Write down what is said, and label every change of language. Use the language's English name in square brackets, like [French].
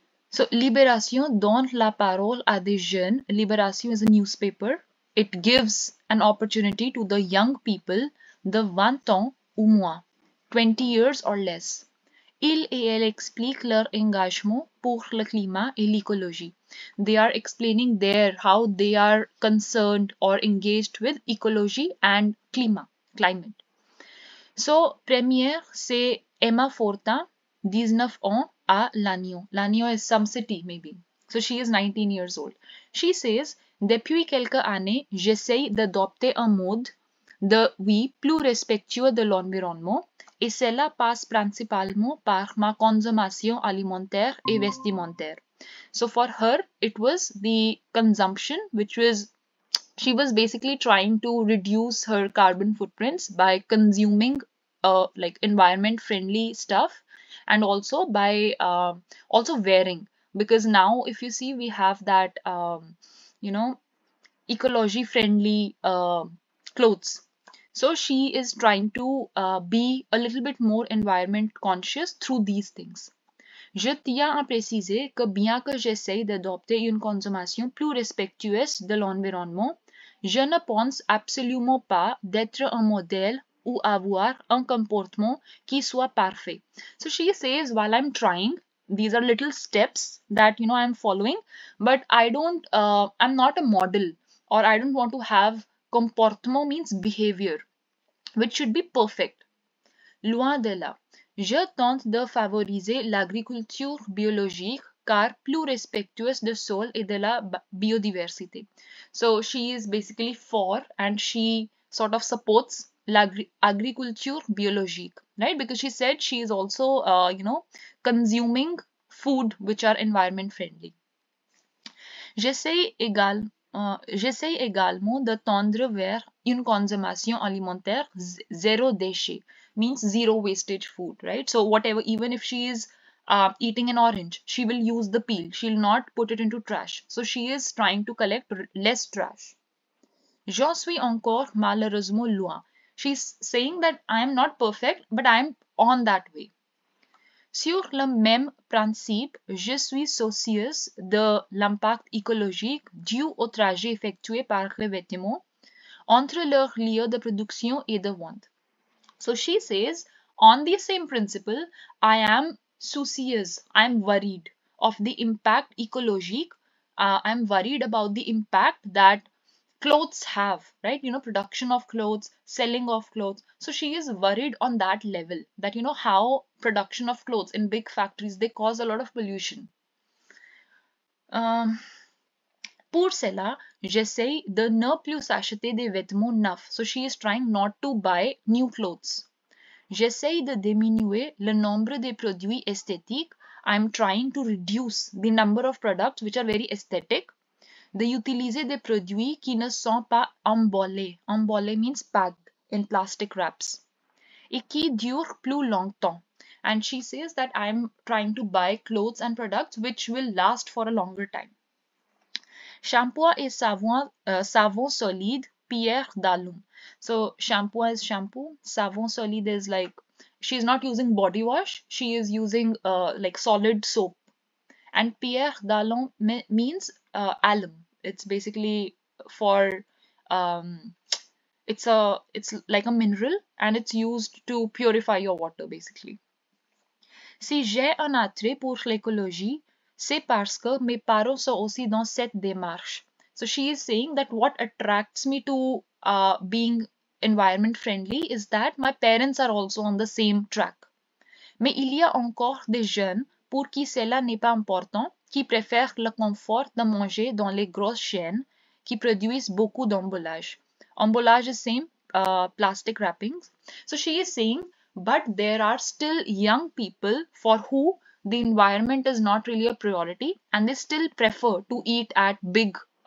[French] So libération donne la parole à des jeunes. [English] Libération is a newspaper. It gives an opportunity to the young people, the [French] 20 ans ou moins, [English] 20 years or less. [French] Il et elle expliquent leur engagement pour le climat et l'écologie. [English] They are explaining there how they are concerned or engaged with ecology and climate. [French] So, première, c'est Emma Fortin, 19 ans, à Lannion. [English] Lannion is some city, maybe. So, she is 19 years old. She says, [French] depuis quelques années, j'essaye d'adopter un mode de vie plus respectueux de l'environnement et cela passe principalement par ma consommation alimentaire et vestimentaire. [English] So for her, it was the consumption, which was, she was basically trying to reduce her carbon footprints by consuming environment friendly stuff and also by wearing, because now if you see, we have that ecology friendly clothes. So she is trying to be a little bit more environment conscious through these things. [French] Je tiens à préciser que bien que j'essaye d'adopter une consommation plus respectueuse de l'environnement, je ne pense absolument pas d'être un modèle ou avoir un comportement qui soit parfait. [English] So she says, while I'm trying, these are little steps that, you know, I'm following, but I'm not a model, or I don't want to have comportement means behavior, which should be perfect. [French] Loin de là. Je tente de favoriser l'agriculture biologique car plus respectueuse de sol et de la biodiversité. [English] So she is basically for, and she sort of supports [French] l'agriculture biologique, [English] right? Because she said she is also, consuming food which are environment friendly. [French] J'essaie également de tendre vers une consommation alimentaire zéro déchet, [English] means zero wastage food, right? So whatever, even if she is eating an orange, she will use the peel. She'll not put it into trash. So she is trying to collect less trash. [French] J'en suis encore malheureusement loin. [English] She's saying that I am not perfect, but I am on that way. [French] Sur le même principe, je suis soucieuse de l'impact écologique dû au trajet effectué par les vêtements entre leur lieu de production et de vente. [English] So she says, on the same principle, I am soucieuse, I am worried of the impact ecologique. I am worried about the impact that clothes have, right? You know, production of clothes, selling of clothes. So she is worried on that level, that, you know, how production of clothes in big factories, they cause a lot of pollution. [French] Pour cela, j'essaye de ne plus acheter des vêtements neufs. [English] So she is trying not to buy new clothes. [French] J'essaye de diminuer le nombre de produits esthétiques. [English] I'm trying to reduce the number of products which are very aesthetic. [French] D'utiliser des produits qui ne sont pas emballés. [English] Emballé means packed in plastic wraps. [French] Et qui dure plus longtemps. [English] And she says that I'm trying to buy clothes and products which will last for a longer time. [French] Shampoo et savon solide, pierre d'alum. [English] So, shampoo is shampoo. [French] Savon solide [English] is like, she's not using body wash. She is using solid soap. And pierre d'alum means alum. It's basically for, it's like a mineral and it's used to purify your water basically. [French] Si j'ai un attrait pour l'écologie, c'est parce que mes parents sont aussi dans cette démarche. [English] So she is saying that what attracts me to being environment friendly is that my parents are also on the same track. [French] Mais il y a encore des jeunes pour qui cela n'est pas important, qui préfèrent le confort de manger dans les grosses chaînes qui produisent beaucoup d'emballage. [English] Emballage is same, plastic wrappings. So she is saying, but there are still young people for who the environment is not really a priority and they still prefer to eat at big,